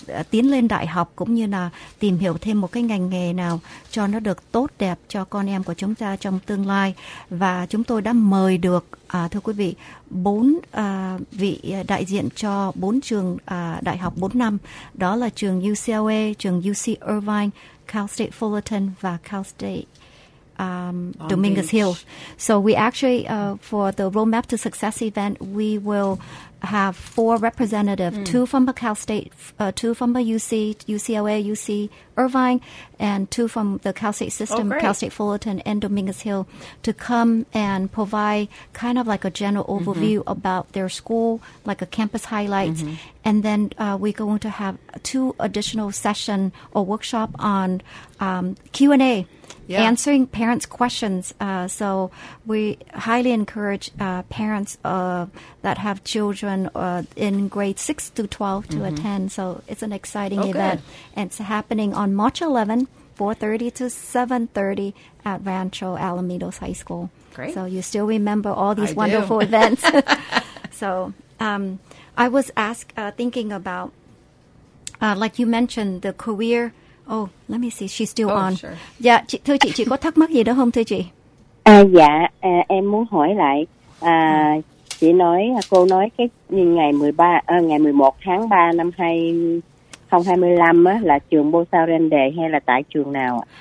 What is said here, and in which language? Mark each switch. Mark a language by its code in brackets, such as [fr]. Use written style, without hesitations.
[vi] tiến lên đại học cũng như là tìm hiểu thêm một cái ngành nghề nào cho nó được tốt đẹp cho con em của chúng ta trong tương lai. Và chúng tôi đã mời được, thưa quý vị, 4 vị đại diện cho 4 trường đại học 4 năm. Đó là trường UCLA, trường UC Irvine, Cal State Fullerton và Cal State Dominguez Hills. [en] So we actually, for the Roadmap to Success event, we will have four representatives, two from Cal State, two from the UC, UCLA, UC Irvine, and two from the Cal State system, Cal State Fullerton and Dominguez Hill, to come and provide kind of like a general overview about their school, like a campus highlights. And then we're going to have two additional session or workshop on Q&A. Yeah. Answering parents' questions. So we highly encourage parents that have children in grade 6 to 12 to attend. So it's an exciting event. And it's happening on March 11, 4:30 to 7:30 at Rancho Alamitos High School. Great. So you still remember all these wonderful events. So I was asked, thinking about, like you mentioned, the career. Oh, let me see. She's still on. Sure. [vi] Dạ, thưa chị có thắc mắc gì đó không thưa chị? Dạ, em muốn hỏi lại. Chị nói, cô nói cái ngày 13, ngày 11 tháng 3 năm 2025 á, là trường Bô Sao Rên Đề hay là tại trường nào?